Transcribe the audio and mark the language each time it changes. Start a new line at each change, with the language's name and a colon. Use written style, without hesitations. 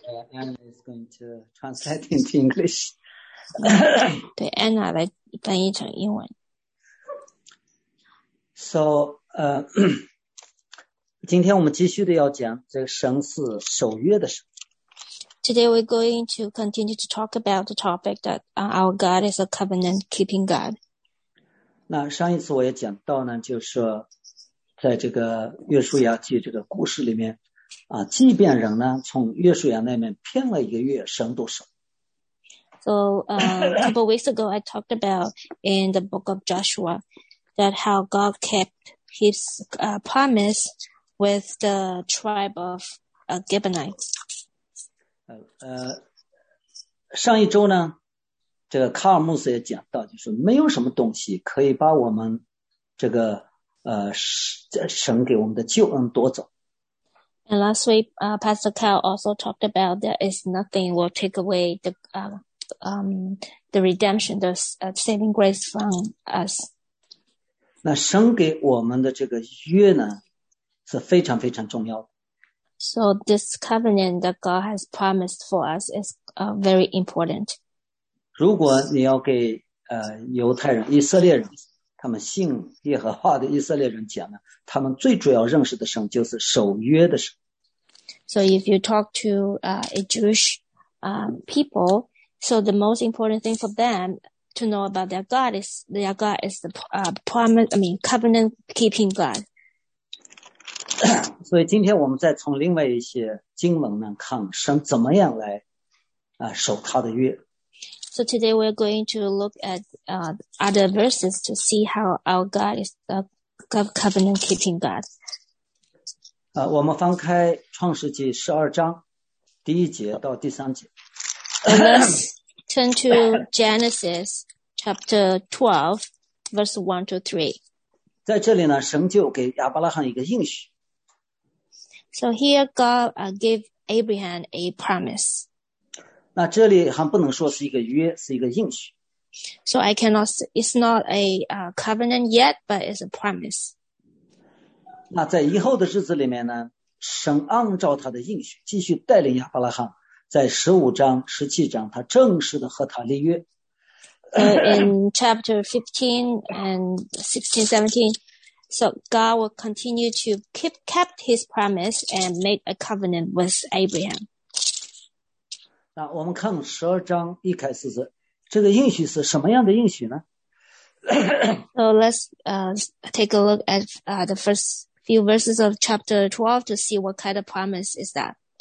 English: Anna is going to translate into English.
Chinese: 对 ，Anna 来翻译成英文。
English: So,
Chinese: 今天我们继续的要讲这个神是守约的神。
English: Today we're going to continue to talk about the topic that our God is a covenant-keeping God.
Chinese: 那上一次我也讲到呢，就是在这个约书亚记这个故事里面。即便人呢从约书亚那边骗了一个月神都守。
English: So, a couple of weeks ago, I talked about in the book of Joshua that how God kept his promise with the tribe of Gibeonites.
Chinese: 上一周呢这个卡尔穆斯也讲到就是没有什么东西可以把我们这个神给我们的救恩夺走。
English: And last week, Pastor Kyle also talked about there is nothing will take away the redemption, the saving grace from us.
Chinese: 那神给我们的这个约呢，是非常非常重要的。
English: So this covenant that God has promised for us is very important.
Chinese: 如果你要给犹太人、以色列人，他们信耶和华的以色列人讲呢，他们最主要认识的神就是守约的神。
English: So if you talk to a Jewish people, so the most important thing for them to know about their God is the covenant keeping God.
Chinese: 所以今天我们再从另外一些经文呢看神怎么样来守他的约。
English: So today we're going to look at other verses to see how our God is the covenant keeping God.
Chinese: 我们翻开创世纪十二章第一节到第三节。
English: Let's turn to Genesis chapter 12, verse 1 to 3.
Chinese: 在这里呢，神就给亚伯拉罕一个应许。
English: So here God gave Abraham a promise.
Chinese: 那这里还不能说是一个约，是一个应许。
English: So I cannot, it's not a covenant yet, but it's a promise.
Chinese: 那在以后的日子里面呢，神按照他的应许继续带领亚伯拉罕，在十五章、十七章，他正式的和他立约。
English: In chapter 15 and 16, 17, so God will continue to kept his promise and make a covenant with Abraham.
Chinese: 那我们看十二章一开始是这个应许是什么样的应许呢
English: ？So let's take a look at the first. Few verses of chapter 12 to see what kind of promise is that.